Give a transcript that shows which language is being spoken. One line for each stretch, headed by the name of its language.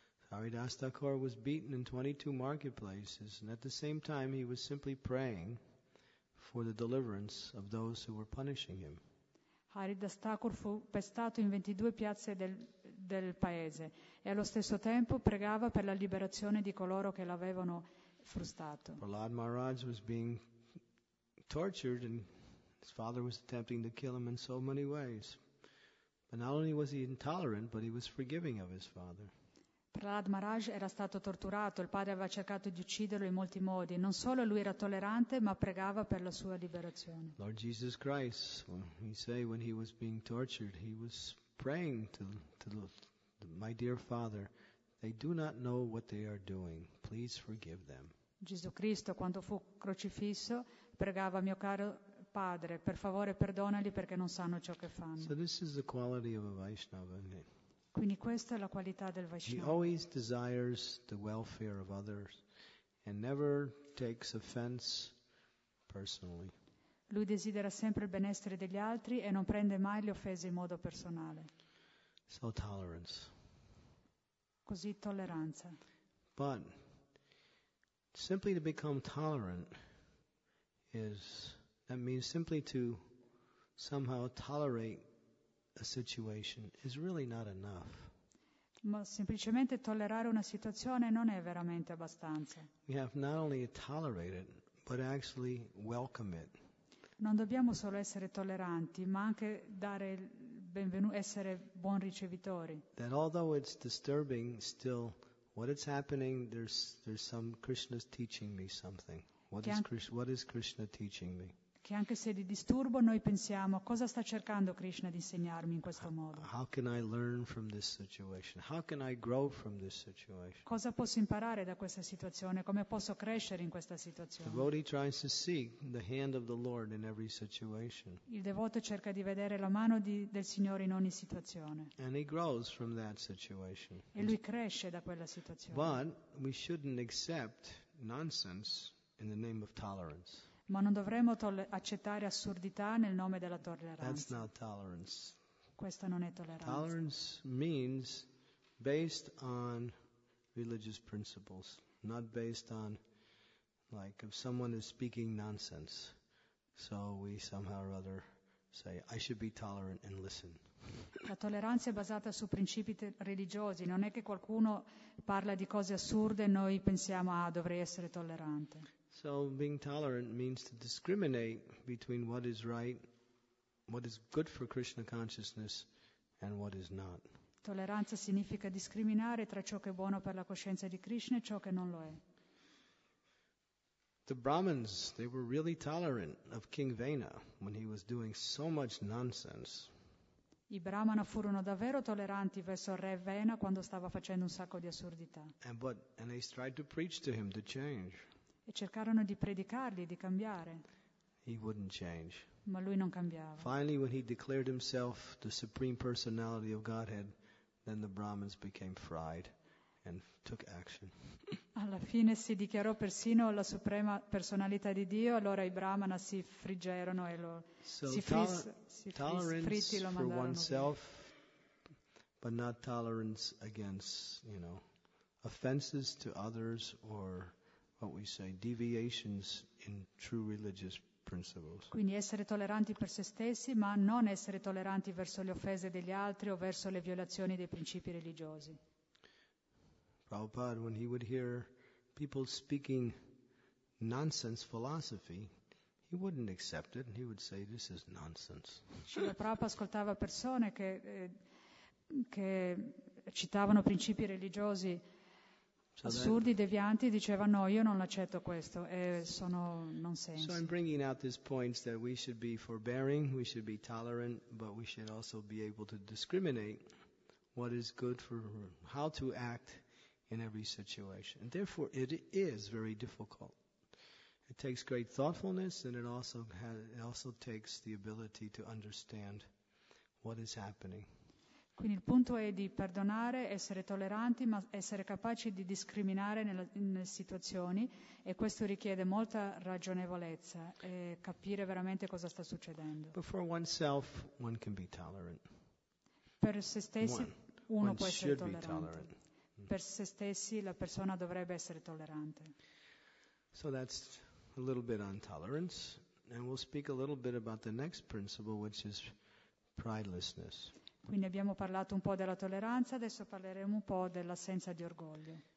English: Haridas Thakur was beaten in 22 marketplaces, and at the same time he was simply praying for the deliverance of those who were punishing him.
Italian: Haridas Thakur fu pestato in 22 piazze del paese e allo stesso tempo pregava per la liberazione di coloro che l'avevano frustato.
English: Prahlad Maharaj was being tortured and his father was attempting to kill him in so many ways. But not only was he intolerant, but he was forgiving of his father.
Italian: Prahlad Maharaj era stato torturato, il padre aveva cercato di ucciderlo in molti modi. Non solo lui era tollerante, ma pregava per la sua liberazione.
English: Lord Jesus Christ, we say when he was being tortured, he was praying to my dear father, they do not know what they are doing, please forgive them.
Italian: Gesù Cristo, quando fu crocifisso, pregava, mio caro padre, per favore perdonali perché non sanno ciò che fanno.
English: So this is the quality of a Vaishnava.
Italian: Quindi questa è la qualità del Vaishnava.
English: He always desires the welfare of others and never takes offense personally.
Italian: Lui desidera sempre il benessere degli altri e non prende mai le offese in modo personale.
English: So tolerance.
Italian: Così tolleranza.
English: But simply to become tolerant is, that means simply to somehow tolerate a situation is really not enough.
Italian: Ma semplicemente tollerare una situazione non è veramente abbastanza.
English: We have not only to tolerate it, but actually welcome it.
Italian: Non dobbiamo solo essere tolleranti, ma anche dare il benvenuto, essere buon ricevitori.
English: That although it's disturbing, still what is happening, there's some Krishna's teaching me something. What is Krishna teaching me?
Italian: Che anche se di disturbo noi pensiamo cosa sta cercando Krishna di insegnarmi in questo modo.
English: How can I learn from this situation? How can I grow from this situation?
Italian: Cosa posso imparare da questa situazione? Come posso crescere in questa situazione?
English: The devotee tries to see the hand of the Lord in every situation.
Italian: Il devoto cerca di vedere la mano del Signore in ogni situazione.
English: And he grows from that situation.
Italian: E lui cresce da quella situazione.
English: But we shouldn't accept nonsense in the name of tolerance.
Italian: Ma non dovremmo accettare assurdità nel nome della tolleranza.
English: That's not tolerance.
Italian: Questa non è tolleranza.
English: Tolerance means based on religious principles, not based on, like, if someone is speaking nonsense, so we somehow or other say, I should be tolerant and listen.
Italian: La tolleranza è basata su principi religiosi, non è che qualcuno parla di cose assurde e noi pensiamo, ah, dovrei essere tollerante.
English: So being tolerant means to discriminate between what is right, what is good for Krishna consciousness, and what is not.
Italian: Tolleranza significa discriminare tra ciò che è buono per la coscienza di Krishna e ciò che non lo è.
English: The Brahmins, they were really tolerant of King Vena when he was doing so much nonsense.
Italian: I Brahmana furono davvero tolleranti verso il re Vena quando stava facendo un sacco di assurdità.
English: And they tried to preach to him to change.
Italian: E cercarono di predicargli di cambiare.
English: He wouldn't change.
Italian: Ma lui non cambiava.
English: Finally, when he declared himself the supreme personality of Godhead, then the Brahmins became fried and took action.
Italian: Alla fine si dichiarò persino la suprema personalità di Dio, allora i Brahmana si friggerono e lo mandarono.
English: Tolerance for oneself, but not tolerance against, you know, offenses to others or what we say deviations in true religious principles.
Italian: Quindi essere tolleranti per se stessi, ma non essere tolleranti verso le offese degli altri o verso le violazioni dei principi religiosi.
English: Prabhupada, when he would hear people speaking nonsense philosophy, he wouldn't accept it and he would say this is nonsense.
Italian: Srila Prabhupada ascoltava persone che citavano principi religiosi assurdi, devianti, diceva no, io non accetto questo e sono nonsense.
English: So I'm bringing out these points that we should be forbearing, we should be tolerant, but we should also be able to discriminate what is good for how to act in every situation. And therefore it is very difficult. It takes great thoughtfulness and it also takes the ability to understand what is happening.
Italian: Quindi il punto è di perdonare, essere tolleranti, ma essere capaci di discriminare nelle situazioni, e questo richiede molta ragionevolezza e capire veramente cosa sta succedendo.
English: But for oneself, one can be tolerant.
Italian: Per se stessi uno può essere tollerante.
English: Tolerant.
Italian: Per se stessi la persona dovrebbe essere tollerante.
English: So that's a little bit on tolerance, and we'll speak a little bit about the next principle, which is pridelessness.
Italian: Quindi abbiamo parlato un po' della tolleranza, adesso parleremo un po' dell'assenza di orgoglio.